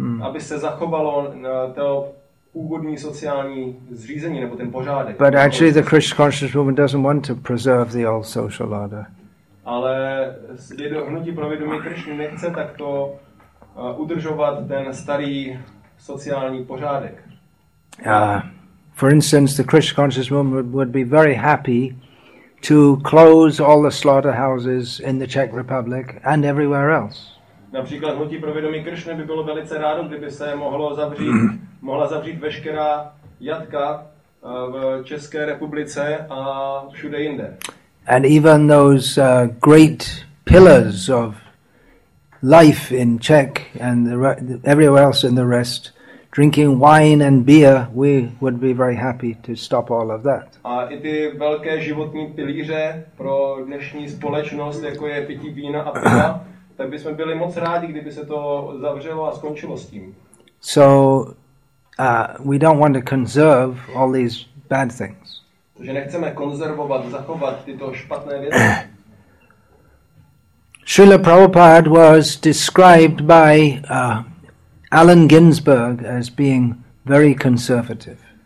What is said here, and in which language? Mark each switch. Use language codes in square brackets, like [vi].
[cs] aby se zachovalo to původní sociální zřízení nebo ten pořádek. [en] But actually the Krishna conscious movement doesn't want to preserve the old social order. [cs] Ale hnutí pro vědomí Krishny nechce takto udržovat ten starý sociální pořádek. [en] For instance, the Krishna conscious movement would be very happy to close all the slaughterhouses in the Czech Republic and everywhere else. [cs] Například hnutí pro vědomí Krishny by bylo velice rádo, kdyby se mohla zavřít veškerá jatka v České republice a všude jinde. [en] And even those great pillars of life in Czech and everywhere else in the rest drinking wine and beer, we would be very happy to stop all of that. [cs] A i ty velké životní pilíře pro dnešní společnost, jako je pití vína a piva, tak bychom byli moc rádi, kdyby se to zavřelo a skončilo s tím. [en] So we don't want to conserve all these bad things. [cs] Takže nechceme konzervovat, zachovat tyto špatné věci. [en] Srila Prabhupada was described by Allen Ginsberg as being very conservative.